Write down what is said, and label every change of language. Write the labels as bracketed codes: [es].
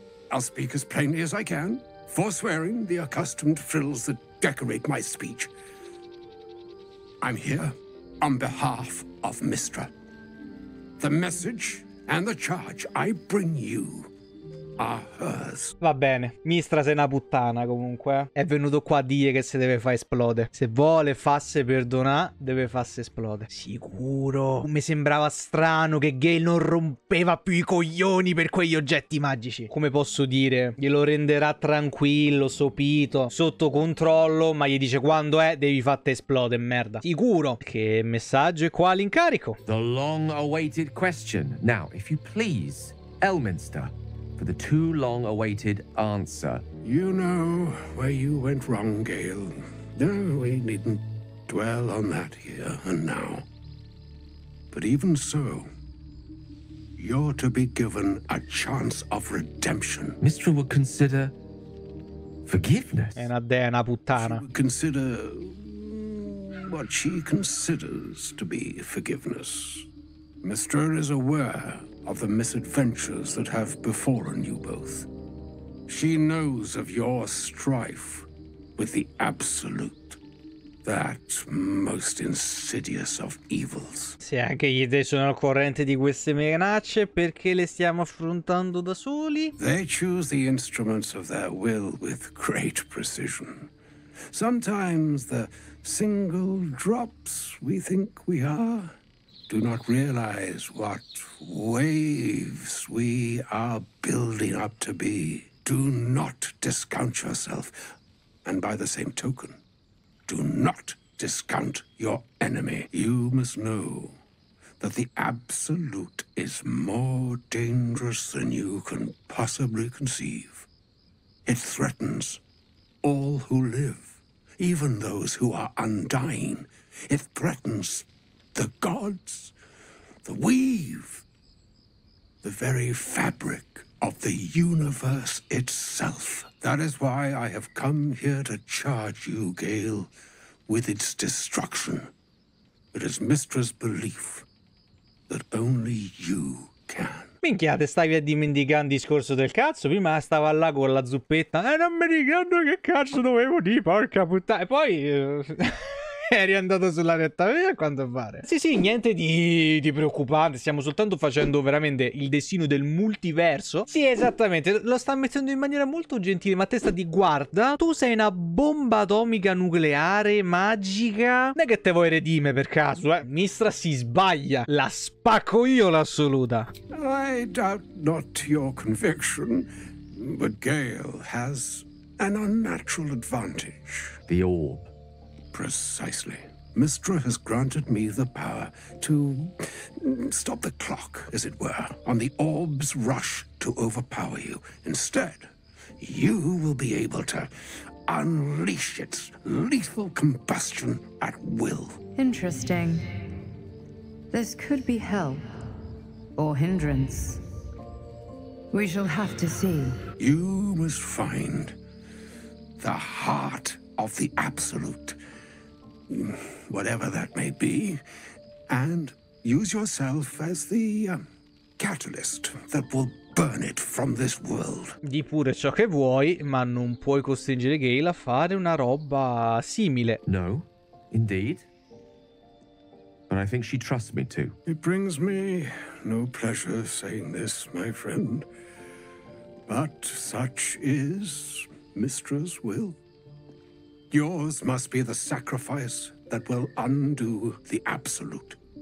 [en] I'll speak as plainly as I can, forswearing the accustomed frills that decorate my speech. I'm here on behalf of Mistra. The message and the charge I bring you. [it] Va bene, Mistra sei una puttana comunque. È venuto qua a dire che se deve far esplode. Se vuole fasse perdonà, deve fasse esplode. Sicuro. Mi sembrava strano che Gale non rompeva più i coglioni per quegli oggetti magici. Come posso dire? Glielo renderà tranquillo, sopito, sotto controllo. Ma gli dice quando è, devi fatte esplodere, merda. Sicuro. Che messaggio è qua all'incarico? [en] The long awaited question. Now, if you please, Elminster, for the too long awaited answer. You know where you went wrong, Gale. No, we needn't dwell on that here and now. But even so, you're to be given a chance of redemption. Mistra would consider forgiveness. [it] È una dea, una puttana. [en] She would consider what she considers to be forgiveness. Mistra is aware of the misadventures that have befallen you both. She knows of your strife with the Absolute, that most insidious of evils. [it] Se anche gli dei sono al corrente di queste minacce, perché le stiamo affrontando da soli? [en] They choose the instruments of their will with great precision. Sometimes the single drops we think we are do not realize what waves we are building up to be. Do not discount yourself. And by the same token, do not discount your enemy. You must know that the Absolute is more dangerous than you can possibly conceive. It threatens all who live, even those who are undying. It threatens the gods, the weave, the very fabric of the universe itself. That is why I have come here to charge you, Gale, with its destruction. It is Mistress' belief that only you can. [it] Minchia, te stavi a dimenticare un discorso del cazzo. Prima stava là con la zuppetta. Non mi ricordo che cazzo dovevo dire, porca puttana. E poi... eri andato sulla retta via, a quanto pare. Sì, sì, niente di preoccupante. Stiamo soltanto facendo veramente il destino del multiverso. Sì, esattamente. Lo sta mettendo in maniera molto gentile. Ma a testa di guarda, tu sei una bomba atomica nucleare magica. Non è che te vuoi redime per caso, eh. Mistra si sbaglia. La spacco io l'assoluta. [en] I doubt not your conviction, but Gale has an unnatural advantage. The orb. Precisely. Mistra has granted me the power to stop the clock, as it were, on the orb's rush to overpower you. Instead, you will be able to unleash its lethal combustion at will. Interesting. This could be help or hindrance. We shall have to see. You must find the heart of the Absolute, whatever that may be, and use yourself as the catalyst that will burn it from this world. [it] Di pure ciò che vuoi, ma non puoi costringere Gale a fare una roba simile. [en] No, indeed. But I think she trusts me too. It brings me no pleasure saying this, my friend. But such is Mistra's will. Yours must be the sacrifice that will undo the absolute.